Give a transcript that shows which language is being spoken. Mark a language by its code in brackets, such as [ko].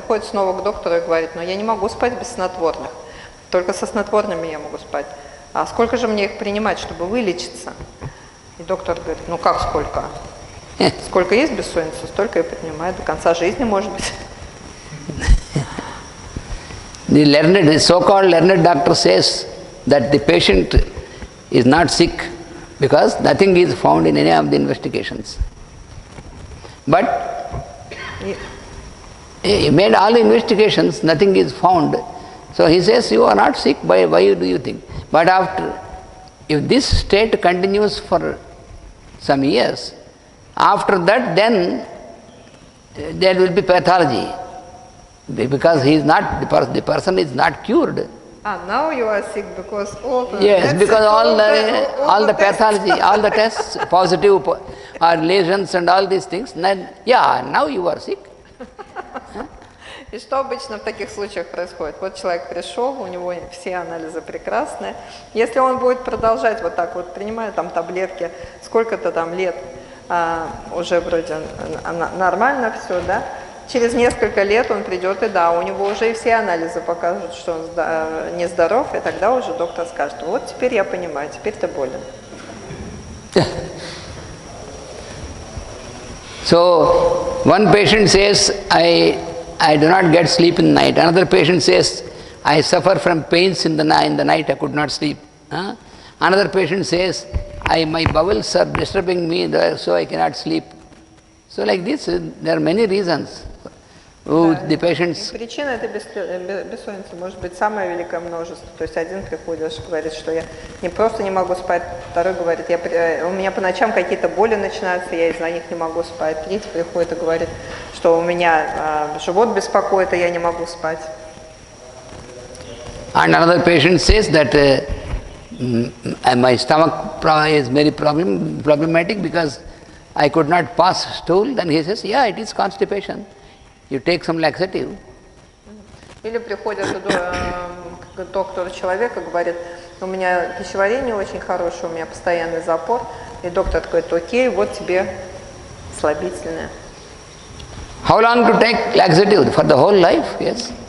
[ru] Приходит снова к доктору и говорит, ну я не могу спать без снотворных, только со снотворными я могу спать. А сколько же мне их принимать, чтобы вылечиться? И доктор говорит, ну как сколько? Сколько есть бессонница, столько и принимает, до конца жизни, может быть. [en] The learned, the so-called learned doctor says that the patient is not sick because nothing is found in any of the investigations. But he made all the investigations, nothing is found. So he says, you are not sick, why do you think? But after, if this state continues for some years, after that then there will be pathology. Because he is not, the person is not cured. Ah, now you are sick because all the yes, because all the pathology, all the tests, positive or lesions and all these things, then, yeah, now you are sick. [ru] И что обычно в таких случаях происходит? Вот человек пришел, у него все анализы прекрасные. Если он будет продолжать вот так вот, принимая там таблетки, сколько-то там лет, уже вроде нормально все, да? Через несколько лет он придет, и да, у него уже и все анализы покажут, что он нездоров, и тогда уже доктор скажет, вот теперь я понимаю, теперь ты болен. [en] So, one patient says, I do not get sleep in the night. Another patient says, I suffer from pains in the night, I could not sleep. Another patient says, my bowels are disturbing me, so I cannot sleep. So like this, there are many reasons. the patients. [ru] Причина это бессонница, может быть, самое великое множество. То есть один приходит и говорит, что я не просто не могу спать, второй говорит, у меня по ночам какие-то боли начинаются, я из-за них не могу спать. Третий приходит и говорит, что у меня живот беспокоит, и я не могу спать. [en] And another patient says that my stomach is very problematic because I could not pass stool. Then he says, yeah, it is constipation. You take some laxative. [ru] Или приходит доктор человек и говорит, у меня пищеварение очень хорошее, у меня постоянный запор. И доктор говорит, окей, вот тебе слабительное. [en] How long to take laxative? For the whole life? Yes.